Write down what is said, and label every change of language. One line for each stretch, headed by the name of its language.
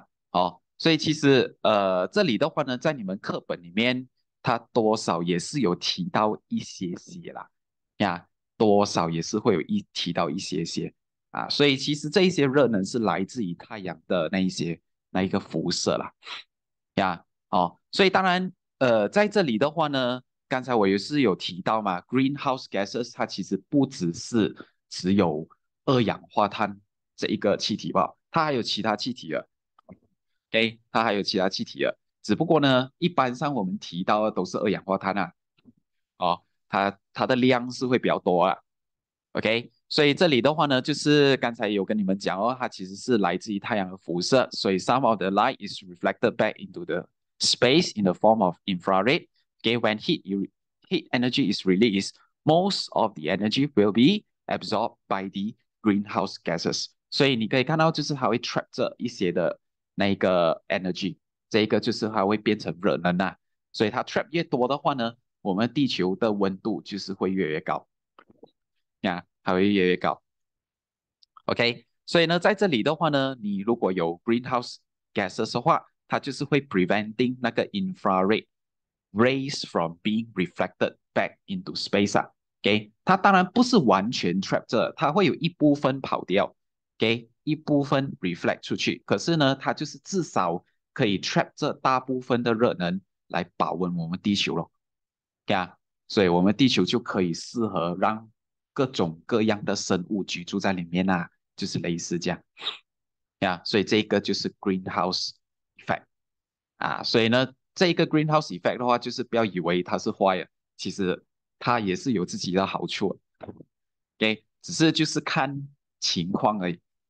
Chinese: 好，所以其实这里的话呢，在你们课本里面，它多少也是有提到一些些啦，多少也是会有一提到一些些啊，所以其实这一些热能是来自于太阳的那一个辐射啦，所以当然在这里的话呢，刚才我也是有提到嘛，greenhouse gases 它其实不只是只有二氧化碳这一个气体吧，它还有其他气体的。诶，它还有其他气体的，只不过呢，一般上我们提到的都是二氧化碳啊，哦，它的量是会比较多啊。 OK，所以这里的话呢，就是刚才有跟你们讲哦，它其实是来自于太阳的辐射，所以
English: some of the light is reflected back into the space in the form of infrared. Okay, when heat energy is released, most of the energy will be absorbed by the greenhouse gases.
Chinese: 所以你可以看到，就是它会 trap 着一些的。那一个 energy，这一个就是它会变成热能啊，所以它 trap 越多的话呢，我们地球的温度就是会越来越高，它会越来越高。 OK，所以呢，在这里的话呢，你如果有 greenhouse gases 的话，它就是会 preventing 那个
English: infrared rays from being reflected back into space
Chinese: 啊。 OK，它当然不是完全 trap 着，它会有一部分跑掉。 OK。一部分 reflect 出去，可是呢，它就是至少可以 trap 这大部分的热能来保温我们地球咯，对啊，所以我们地球就可以适合让各种各样的生物居住在里面啊，就是类似这样，所以这个就是 greenhouse effect 啊，所以呢，这个 greenhouse effect 的话，就是不要以为它是坏的，其实它也是有自己的好处，OK，只是就是看情况而已。